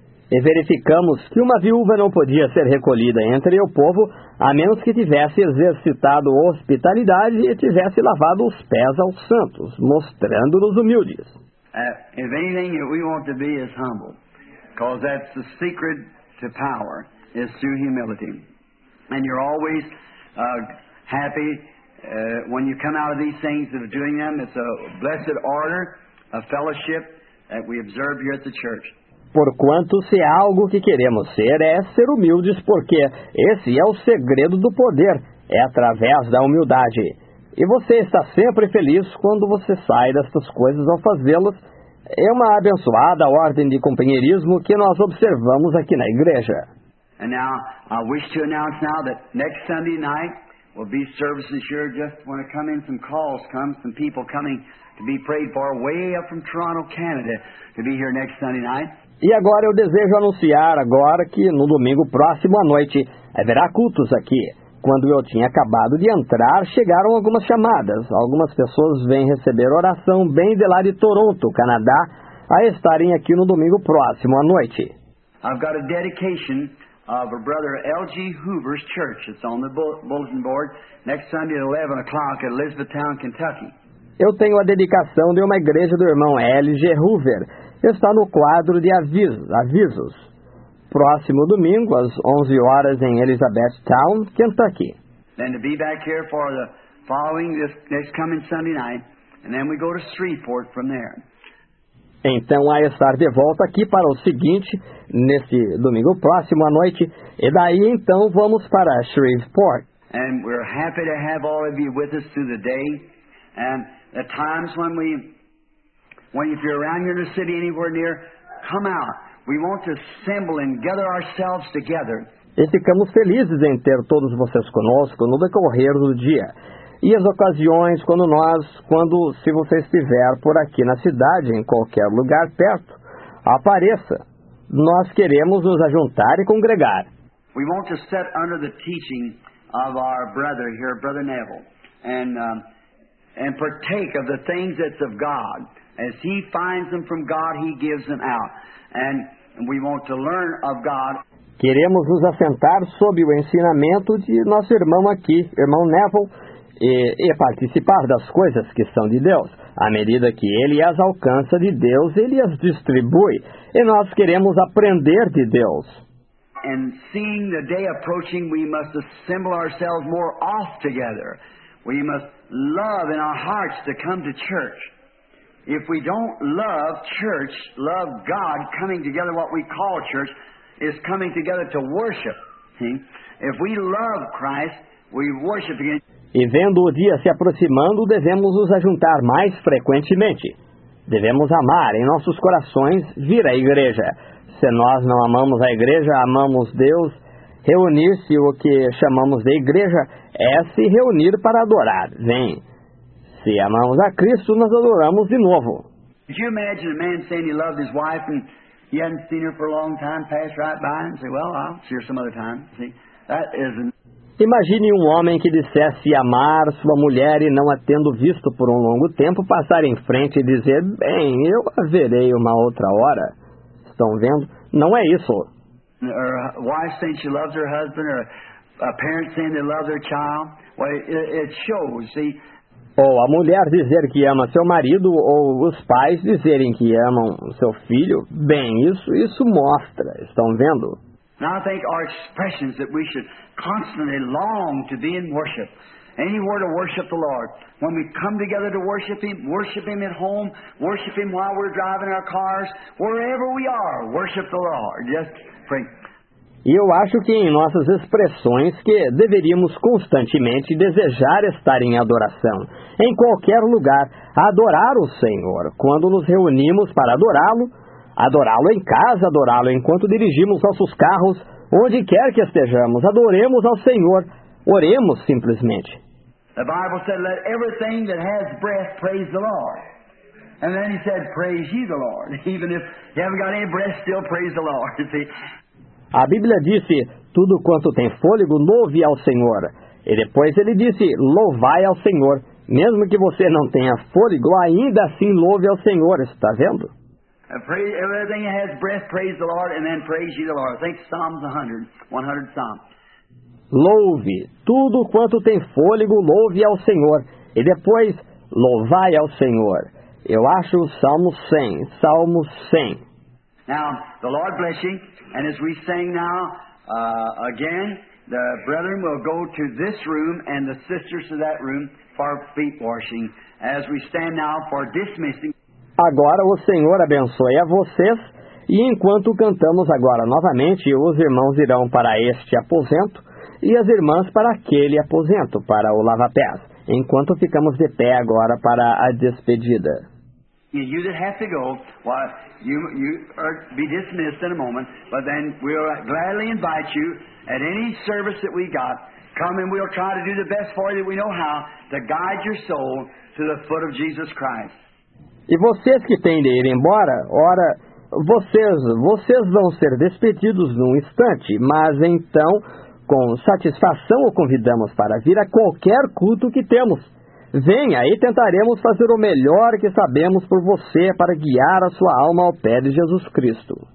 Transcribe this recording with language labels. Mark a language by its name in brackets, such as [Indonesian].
[Portuguese] E verificamos que uma viúva não podia ser recolhida entre o povo a menos que tivesse exercitado hospitalidade e tivesse lavado os pés aos santos, mostrando-nos humildes. [English] If anything we want to be is humble, because that's the secret to power, is through humility. And you're always happy when you come out of these things of doing them. It's a blessed order, a fellowship that we observe here at the church. [Portuguese] Porquanto, se há algo que queremos ser, é ser humildes, porque esse é o segredo do poder, é através da humildade. E você está sempre feliz quando você sai destas coisas ao fazê-las. É uma abençoada ordem de companheirismo que nós observamos aqui na igreja. [English] And now, I wish to announce now that next Sunday night will be services here. Just want to come in, some calls come, some people coming to be prayed for way up from Toronto, Canada, to be here next Sunday night. [Portuguese] E agora eu desejo anunciar agora que no domingo próximo à noite haverá cultos aqui. Quando eu tinha acabado de entrar, chegaram algumas chamadas. Algumas pessoas vêm receber oração bem de lá de Toronto, Canadá, a estarem aqui no domingo próximo à noite. [English] I've got a dedication of a brother L.G. Hoover's church. It's on the bulletin board next Sunday at 11 o'clock at Elizabethtown, Kentucky. [Portuguese] Eu tenho a dedicação de uma igreja do irmão L.G. Hoover. Está no quadro de avisos. Próximo domingo, às 11 horas, em Elizabethtown, Kentucky. [English] Then to be back here for the following, this next coming Sunday night, and then we go to Shreveport from there. [Portuguese] Então, a estar de volta aqui para o seguinte, neste domingo próximo à noite, e daí, então, vamos para Shreveport. [English] And we're happy to have all of you with us through the day, and at times when we, when if you're around here in the city, anywhere near, come out. We want to assemble and gather ourselves together. [Portuguese] E ficamos felizes em ter todos vocês conosco no decorrer do dia. E as ocasiões quando nós, quando se você estiver por aqui na cidade, em qualquer lugar perto, apareça. Nós queremos nos ajuntar e congregar. [English] We want to sit under the teaching of our brother here, Brother Neville, and partake of the things that's of God. As he finds them from God, he gives them out. And we want to learn of God. [Portuguese] Queremos nos assentar sob o ensinamento de nosso irmão aqui, irmão Neville, e participar das coisas que são de Deus. À medida que ele as alcança de Deus, ele as distribui. E nós queremos aprender de Deus. [English] And seeing the day approaching, we must assemble ourselves more oft together. We must love in our hearts to come to church. If we don't love church, love God, coming together, what we call church, is coming together to worship. If we love Christ, we worship again. [Portuguese] E vendo o dia se aproximando, devemos nos ajuntar mais frequentemente. Devemos amar em nossos corações vir à igreja. Se nós não amamos a igreja, amamos Deus. Reunir-se, o que chamamos de igreja, é se reunir para adorar. Vem. Se amamos a Cristo, nós adoramos de novo. [English] Could you imagine a man saying he loved his wife and he hadn't seen her for a long time, pass right by and say, well, I'll see her some other time. See, that isn't... [Portuguese] Imagine um homem que dissesse amar sua mulher e não a tendo visto por um longo tempo passar em frente e dizer, bem, eu a verei uma outra hora. Estão vendo? Não é isso. [English] Her wife saying she loves her husband, or a parent saying they love their child. Well, it shows, see? [Portuguese] Ou a mulher dizer que ama seu marido, ou os pais dizerem que amam seu filho. Bem, isso mostra, estão vendo? [English] Now I think our expressions that we should constantly long to be in worship, anywhere to worship the Lord. When we come together to worship Him at home, worship Him while we're driving our cars, wherever we are, worship the Lord. Just pray. [Portuguese] E eu acho que em nossas expressões que deveríamos constantemente desejar estar em adoração, em qualquer lugar, adorar o Senhor, quando nos reunimos para adorá-lo, adorá-lo em casa, adorá-lo enquanto dirigimos nossos carros, onde quer que estejamos, adoremos ao Senhor, oremos simplesmente. A Bíblia diz, [English] let everything that has breath praise the Lord. And then he said, praise ye the Lord. Even if you haven't got any breath, still praise the Lord. See? [Portuguese] A Bíblia disse, tudo quanto tem fôlego, louve ao Senhor. E depois ele disse, louvai ao Senhor. Mesmo que você não tenha fôlego, ainda assim louve ao Senhor. Está vendo? [English] Everything has breath, praise the Lord, and then praise ye the Lord. Think Psalms 100 Psalms. [Portuguese] Louve, tudo quanto tem fôlego, louve ao Senhor. E depois, louvai ao Senhor. Eu acho o Salmo 100. [English] Now, the Lord bless you. And as we sing now, again, the brethren will go to this room and the sisters to that room for feet washing. As we stand now for dismissing. [Portuguese] Agora o Senhor abençoe a vocês. E enquanto cantamos agora novamente, os irmãos irão para este aposento e as irmãs para aquele aposento, para o lava-pés. Enquanto ficamos de pé agora para a despedida. [English] You that have to go, well, you are be dismissed in a moment, but then we'll gladly invite you at any service that we got. Come and we'll try to do the best for you that we know how to guide your soul to the foot of Jesus Christ. [Portuguese] E vocês que têm de ir embora, ora, vocês vão ser despedidos num instante, mas então, com satisfação, o convidamos para vir a qualquer culto que temos. Venha e tentaremos fazer o melhor que sabemos por você para guiar a sua alma ao pé de Jesus Cristo.